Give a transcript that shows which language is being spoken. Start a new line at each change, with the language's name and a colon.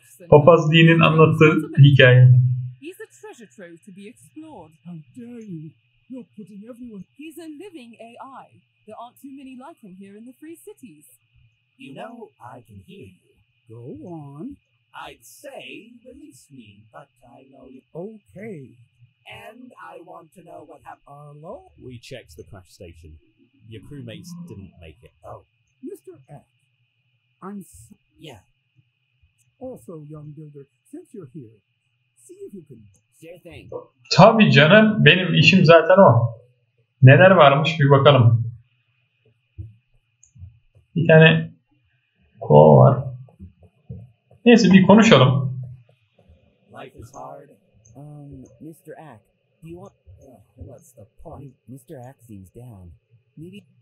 Turkish: Papaz Dean'in anlattığı hikaye.
English: He's a treasure trove to be explored. How dare you? You're putting everyone... He's a living AI. There aren't too many like him here in the free cities. You know, I can hear you. Go on. I'd say release me, but I know you... Okay. And I want to know what happened. Hello? We checked the crash station. Your crewmates didn't make it. Oh. Mr. F, I'm... Yeah. Also, young builder, since you're here, see if you can... Sure thing.
Turkish: Tabii canım, benim işim zaten o. Neler varmış bir bakalım. Bir tane kova var. Neyse, bir konuşalım.
English: Life is hard. Mr. Ack, do you want... What's the point? Mr. Ack seems down. Maybe...